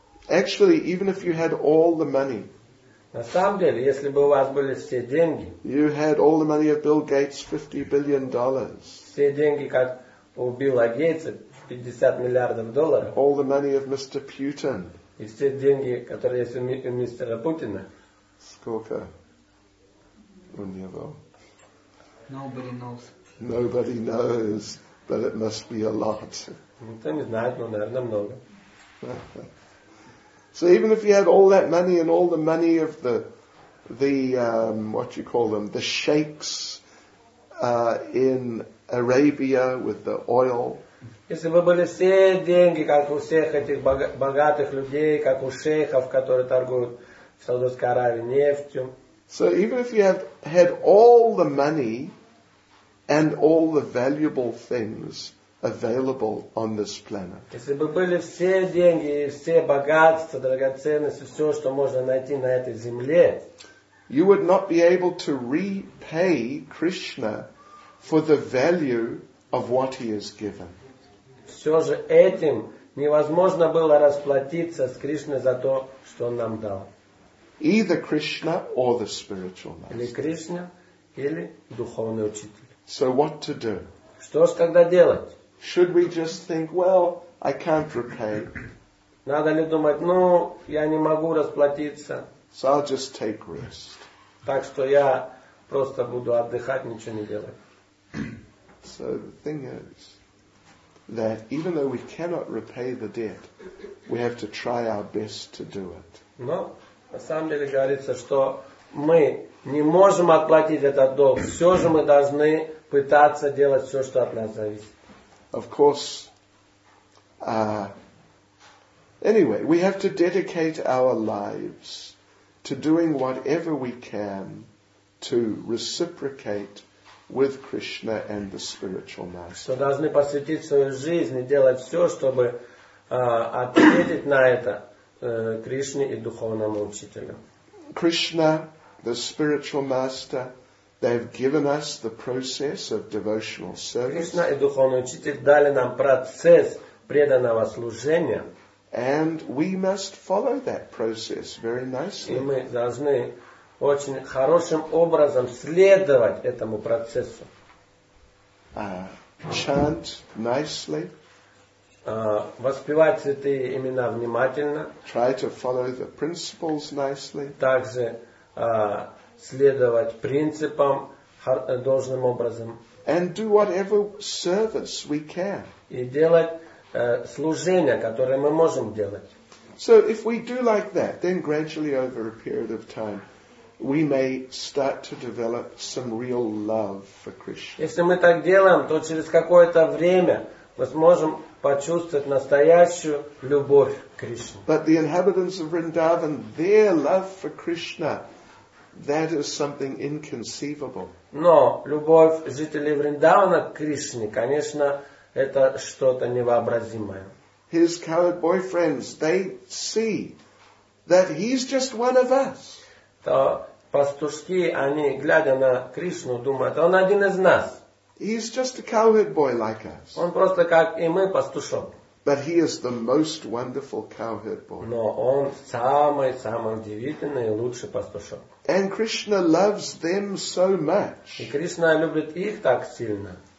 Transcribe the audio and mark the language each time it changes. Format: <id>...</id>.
<en>Actually, even if you had all the money,</en> <ru>на самом деле, если бы у вас были все деньги,</ru> <en>you had all the money of Bill Gates, $50 billion.</en> <ru>Все деньги, как у Билла Гейтса, 50 миллиардов долларов.</ru> <en>All the money of Mr. Putin.</en> <ru>И все деньги, которые есть у мистера Путина. Сколько у него?</ru> <en>Nobody knows. Nobody knows, but it must be a lot.</en> <ru>Никто не знает, но, наверное, много.</ru> <en>So even if you had all that money and all the money of the sheikhs in Arabia with the oil.</en> <ru>Если бы были все деньги, как у всех этих богатых людей, как у шейхов, которые торгуют в Саудовской Аравии нефтью.</ru> <en>So even if you had all the money and all the valuable things available on this planet.</en> <ru>Если бы были все деньги и все богатства, драгоценности, все, что можно найти на этой земле.</ru> <en>You would not be able to repay Krishna for the value of what he has given.</en> <ru>Все же этим невозможно было расплатиться с Кришной за то, что он нам дал.</ru> <en>Either Krishna or the spiritual master.</en> <ru>Или Кришна, или духовный учитель.</ru> <en>So what to do?</en> <ru>Что ж тогда делать?</ru> <en>Should we just think, well, I can't repay?</en> <ru>Надо ли думать, ну, я не могу расплатиться.</ru> <en>So I'll just take rest.</en> <ru>Так что я просто буду отдыхать, ничего не делать.</ru> <en>So the thing is that even though we cannot repay the debt, we have to try our best to do it.</en> <ru>Но на самом деле говорится, что мы не можем отплатить этот долг. Все же мы должны пытаться делать все, что от нас зависит.</ru> <en>Of course. Anyway, we have to dedicate our lives to doing whatever we can to reciprocate with Krishna and the spiritual master.</en> <ru>Мы должны посвятить свою жизнь и делать все, чтобы ответить на это Кришне и духовному учителю.</ru> <en>Krishna, the spiritual master, they've given us the process of devotional service.</en> <ru>Кришна и духовный учитель дали нам процесс преданного служения.</ru> <en>And we must follow that process very nicely.</en> <ru>И мы должны очень хорошим образом следовать этому процессу.</ru> <en>Chant nicely.</en> <ru>Воспевать святые имена внимательно.</ru> <en>Try to follow the principles nicely.</en> <ru>Также следовать принципам должным образом.</ru> <en>And do whatever service we can.</en> <ru>И делать служение, которое мы можем делать.</ru> <en>So if we do like that, then gradually over a period of time, we may start to develop some real love for Krishna.</en> <ru>Если мы так делаем, то через какое-то время мы сможем почувствовать настоящую любовь к Кришне.</ru> <en>But the inhabitants of Vrindavan, their love for Krishna, that is something inconceivable.</en> <ru>Но любовь жителей Вриндавана к Кришне, конечно, это что-то невообразимое.</ru> <en>His coward boyfriends, they see that he's just one of us.</en> <ru>То пастушки, они, глядя на Кришну, думают, он один из нас.</ru> <en>He's just a cowherd boy like us.</en> <ru>Он просто как и мы, пастушок.</ru> <en>But he is the most wonderful cowherd boy.</en> <ru>Но он самый-самый удивительный и лучший пастушок.</ru> <en>And Krishna loves them so much.</en> <ru>И Кришна любит их так сильно.</ru>